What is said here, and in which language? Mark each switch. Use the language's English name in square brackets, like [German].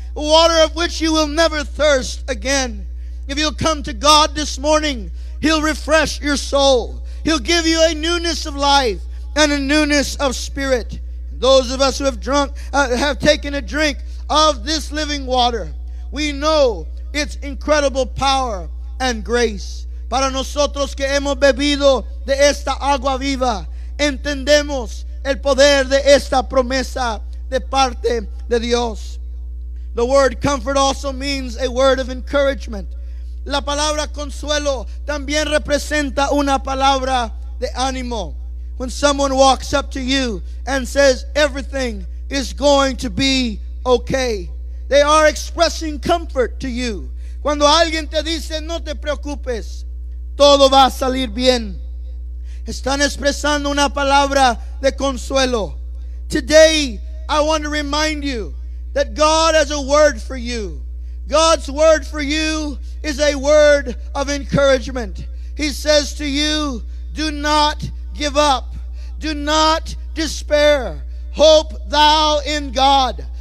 [English] Water of which you will never thirst again. If you'll come to God this morning, He'll refresh your soul. He'll give you a newness of life and a newness of spirit. Those of us who have taken a drink of this living water, we know its incredible power and grace. [Spanish] Para nosotros que hemos bebido de esta agua viva, entendemos el poder de esta promesa de parte de Dios. [English] The word comfort also means a word of encouragement. [Spanish] La palabra consuelo también representa una palabra de ánimo. [English] When someone walks up to you and says, everything is going to be okay. They are expressing comfort to you. [Spanish] Cuando alguien te dice, no te preocupes, todo va a salir bien. Están expresando una palabra de consuelo. [English] Today, I want to remind you that God has a word for you. God's word for you is a word of encouragement. He says to you, do not give up. Do not despair. Hope thou in God.